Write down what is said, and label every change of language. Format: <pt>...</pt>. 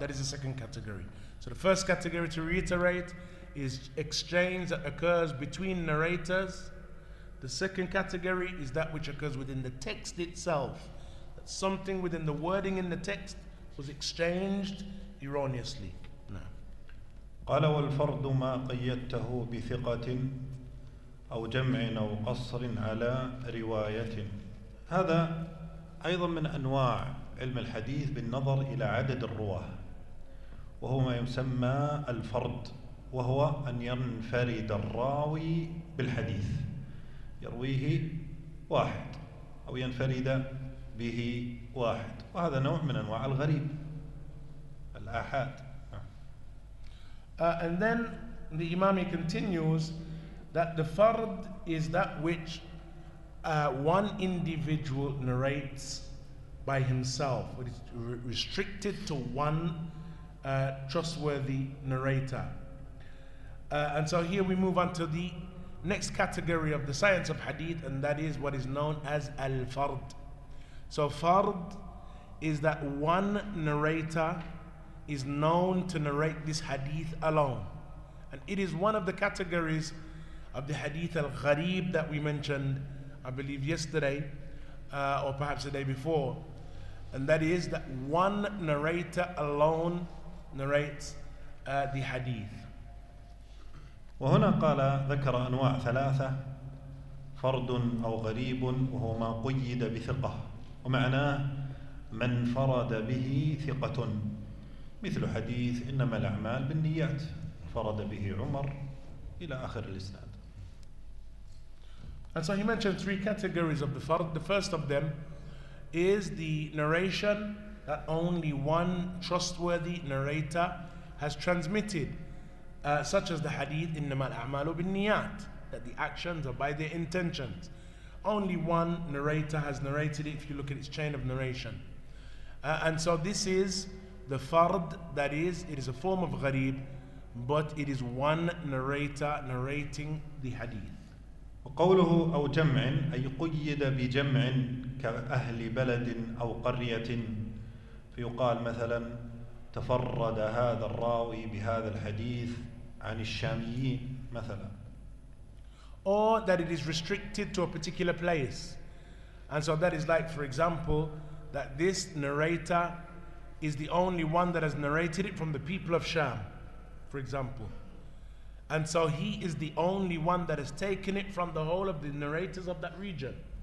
<en>That is the second category. So the first category, to reiterate, is exchange that occurs between narrators. The second category is that which occurs within the text itself. That something within the wording in the text was exchanged erroneously.</en> <ar>قال والفرد ما قيدته بثقة أو جمع أو قصر على رواية. هذا أيضا من أنواع علم الحديث بالنظر إلى عدد الرواة، وهو ما يسمى الفرد، وهو أن ينفرد الراوي بالحديث، يرويه واحد أو ينفرد به واحد، وهذا نوع من أنواع الغريب الآحاد.</ar> <en>And then the imam continues that the fard is that which one individual narrates by himself, but it's restricted to one trustworthy narrator. And so here we move on to the next category of the science of hadith, and that is what is known as al-fard. So fard is that one narrator is known to narrate this hadith alone. And it is one of the categories of the hadith al-ghareeb that we mentioned, I believe yesterday, or perhaps the day before. And that is that one narrator alone narrates the hadith.</en> <ar>وهنا قال ذكر أنواع ثلاثة، فرد أو غريب، وهو ما قيد بثقة، ومعناه من فرد به ثقة، مثل حديث إنما الأعمال بالنيات، فرد به عمر إلى آخر الإسناد.</ar> <en>And so he mentioned three categories of the fard. The first of them is the narration that only one trustworthy narrator has transmitted. Such as the hadith</en> <ar>إنما الأعمال بالنيات,</ar> <en>that the actions are by their intentions. Only one narrator has narrated it, if you look at its chain of narration. And so this is the fard, that is, it is a form of غريب, but it is one narrator narrating the hadith.</en> <ar>وقوله أو جمع أي قيد بجمع كأهل بلد أو قرية، فيقال مثلا تفرد هذا الراوي بهذا الحديث عن الشاميين مثلا.</ar> <en>Or that it is restricted to a particular place. And so that is like, for example, that this narrator is the only one that has narrated it from the people of Sham, for example. And so he is the only one that has taken it from the whole of the narrators of that region.</en>